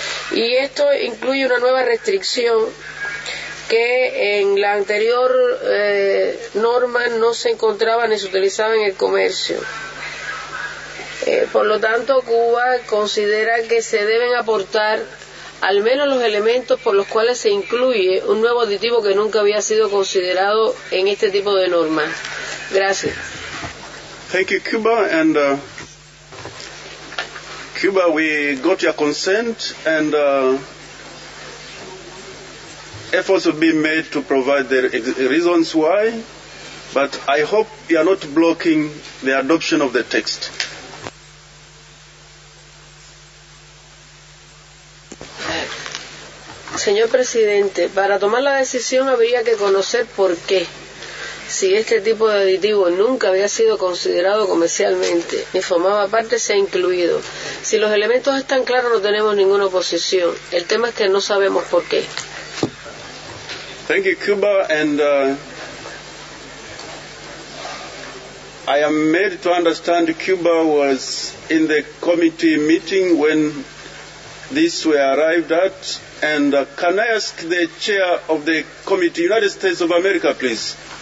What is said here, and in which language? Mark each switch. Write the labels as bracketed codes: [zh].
[es] Y esto incluye una nueva restricción que en la anterior norma no se encontraba ni se utilizaba en el comercio. Por lo tanto, Cuba considera que se deben aportar al menos los elementos por los cuales se incluye un nuevo aditivo que nunca había sido considerado en este tipo de normas. Gracias. [en] Thank you, Cuba. And Cuba, we got your consent, and efforts will be made to provide the reasons why. But I hope you are not blocking the adoption of the text. [es] Señor presidente, para tomar la decisión habría que conocer por qué. Si este tipo de aditivo nunca había sido considerado comercialmente, ni formaba parte, se ha incluido. Si los elementos están claros, no tenemos ninguna oposición. El tema es que no sabemos por qué. [en] Thank you, Cuba, and I am made to understand Cuba was in the committee meeting when this were arrived at. And can I ask the chair of the committee, United States of America, please?